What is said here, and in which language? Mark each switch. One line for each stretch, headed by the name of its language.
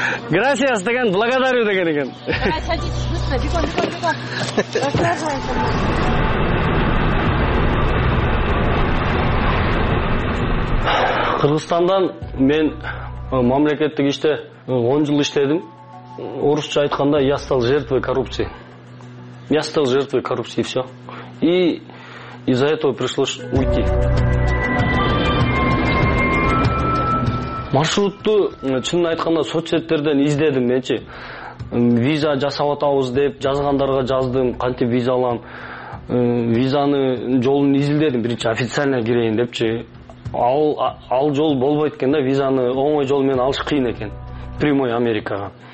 Kyrgyz: Грасиас деген благодарю деген экен. Кыргызстандан мен мамлекеттик иште 10 жыл иштедим. Орусча айтканда
Russian: я стал жертвой коррупции. Я стал жертвой коррупции и все. И из-за этого пришлось уйти.
Kyrgyz: Маршрутту чынын айтканда соцсеттерден издедим менчи. Виза жасап атабыз деп жазгандарга жаздым, кантип виза алам. Визаны жолун изилдедим биринчи официально кирейин депчи. Ал жол болбойт экен да, визаны оңой жол менен алыш кыйын экен. Прямой Америкага.